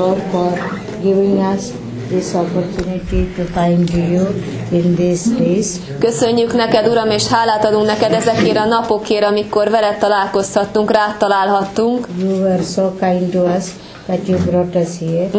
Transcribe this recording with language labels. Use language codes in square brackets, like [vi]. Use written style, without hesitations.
[en] for giving us this opportunity to find you in this place. [hu] Köszönjük neked, Uram, és hálát adunk neked ezekért a napokért, amikor veled találkozhattunk, rád találhattunk. [en] You were so kind to us that you brought us here.